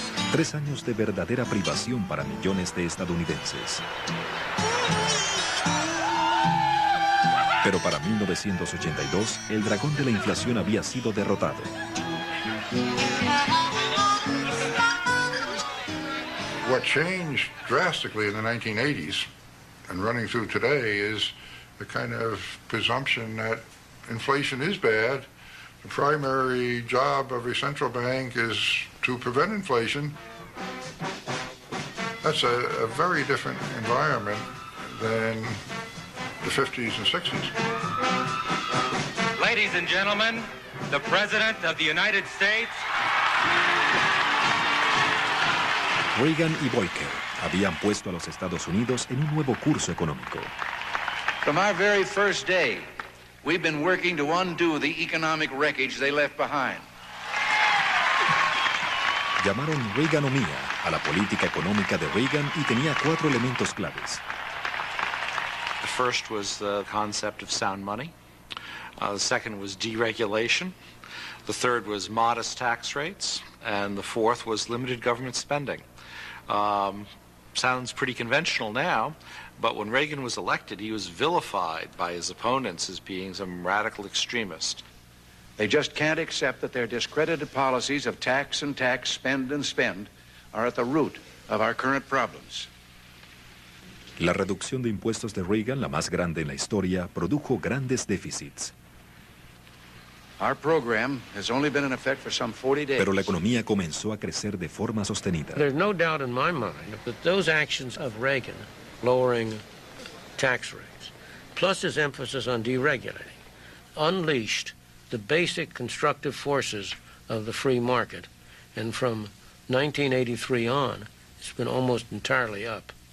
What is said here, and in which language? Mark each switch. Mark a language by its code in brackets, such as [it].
[es] 3 años de verdadera privación para millones de estadounidenses. Pero para 1982, el dragón de la inflación había sido derrotado. [en] What changed drastically in the 1980s and running through today is the kind of presumption that inflation is bad. The primary job of a central bank is to prevent inflation. That's a very different environment than the 50s and 60s. Ladies and gentlemen, the President of the United States. [es] Reagan y Boyker habían puesto a los Estados Unidos en un nuevo curso económico. [en] From our very first day, we've been working to undo the economic wreckage they left behind. [es] Llamaron Reaganomía a la política económica de Reagan y tenía 4 elementos claves. [en] The first was the concept of sound money. The second was deregulation. The third was modest tax rates. And the fourth was limited government spending. Sounds pretty conventional now, but when Reagan was elected, he was vilified by his opponents as being some radical extremist. They just can't accept that their discredited policies of tax and tax, spend and spend, are at the root of our current problems. [es] La reducción de impuestos de Reagan, la más grande en la historia, produjo grandes déficits. [en] Our program has only been in effect for some 40 days. [es] Pero la economía comenzó a crecer de forma sostenida. [en] There's no doubt in my mind that those actions of Reagan, lowering tax rates, plus his emphasis on deregulating, unleashed the basic constructive forces of the free market. And from 1983 on, it's been almost entirely up.